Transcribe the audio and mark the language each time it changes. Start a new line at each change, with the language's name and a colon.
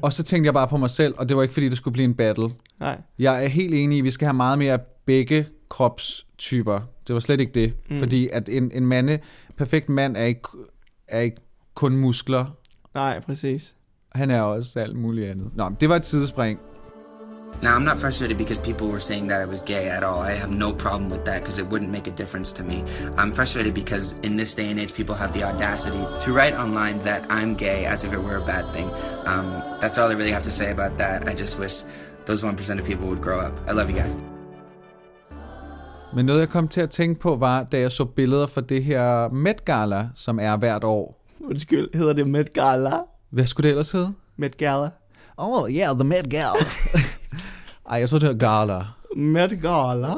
Danish: Og så tænkte jeg bare på mig selv, og det var ikke fordi, det skulle blive en battle. Nej. Jeg er helt enig i, vi skal have meget mere begge kropstyper. Det var slet ikke det. Mm. Fordi at en mande, perfekt mand er ikke kun muskler. Nej, præcis. Han er også alt muligt andet. Nå, det var et tidsspring.
English: Now I'm not frustrated because people were saying that I was gay at all. I have no problem with that because it wouldn't make a difference to me. I'm frustrated because in this day and age people have the audacity to write online that I'm gay as if it were a bad thing. That's all I really have to say about that. I just wish those 1% of people would grow up. I love you guys.
Danish: Men noget jeg kom til at tænke på var, da jeg så billeder for det her Met Gala, som er hvert år. Undskyld, hedder det Met Gala? Hvad skulle det ellers hedde? Met Gala.
English: Oh yeah, the Met Gala.
Danish: Ej, jeg så det her Gala. Met Gala?